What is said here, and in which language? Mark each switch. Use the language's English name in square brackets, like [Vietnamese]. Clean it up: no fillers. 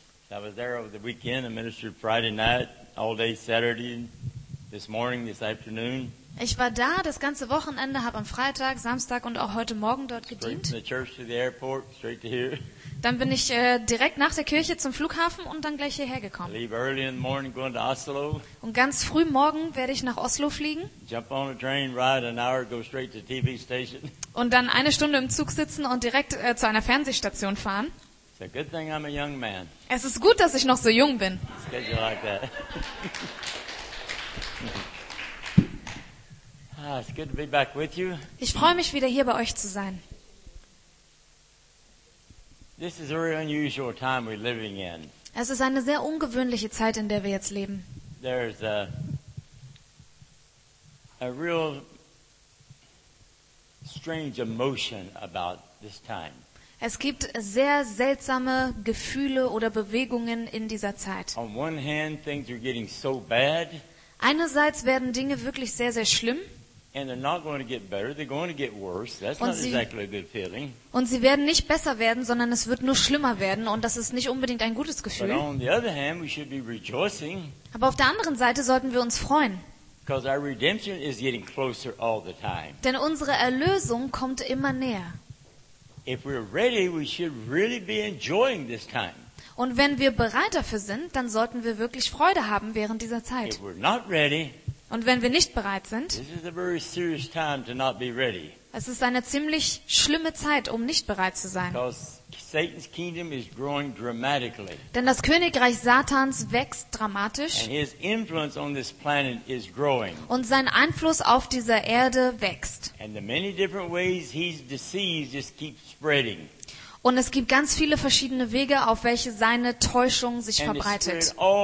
[English] I was there over the weekend and ministered Friday night, all day Saturday, this morning, this afternoon. [German] Ich war da das ganze Wochenende, habe am Freitag, Samstag und auch heute Morgen dort gedient. [English] Straight from the church to the airport, straight to here. [German] Dann bin ich direkt nach der Kirche zum Flughafen und dann gleich hierher gekommen. [English] Leave early in the morning, going to Oslo. [German] Und ganz früh morgen werde ich nach Oslo fliegen. [English] Jump on a train, ride an hour, go straight to TV station. [German] Und dann eine Stunde im Zug sitzen und direkt zu einer Fernsehstation fahren. [English] It's a good thing I'm a young man. [German] Es ist gut, dass ich noch so jung bin. [English] Schedule like that. It's good to be back with you. [German] Ich freue mich wieder hier bei euch zu sein. [English] This is a very unusual time we're living in. [German] Es ist eine sehr ungewöhnliche Zeit, in der wir jetzt leben. [English] There's a real strange emotion about this time. [German] Es gibt sehr seltsame Gefühle oder Bewegungen in dieser Zeit. [English] On one hand, things are getting so bad. [German] Einerseits werden Dinge wirklich sehr, sehr schlimm. [English] And they're not going to get better, they're going to get worse. That's not exactly a good feeling. [German] Und sie werden nicht besser werden, sondern es wird nur schlimmer werden und das ist nicht unbedingt ein gutes Gefühl. [English] But on the other hand, we should be rejoicing. [German] Aber auf der anderen Seite sollten wir uns freuen. [English] Because our redemption is getting closer all the time. [German] Denn unsere Erlösung kommt immer näher. [English] If we're ready, we should really be enjoying this time. [German] Und wenn wir bereit dafür sind, dann sollten wir wirklich Freude haben während dieser Zeit. [English] If we're not ready, [German] und wenn wir nicht bereit sind, [English] this is a very serious time to not be ready. [German] Es ist eine ziemlich schlimme Zeit, um nicht bereit zu sein. [English] Satan's kingdom is growing dramatically. [German] Denn das Königreich Satans wächst dramatisch. [English] And his influence on this planet is growing. [German] Und sein Einfluss auf dieser Erde wächst. [English] And the many different ways he's deceived just keep spreading. [German] Und es gibt ganz viele verschiedene Wege, auf welche seine Täuschung sich verbreitet.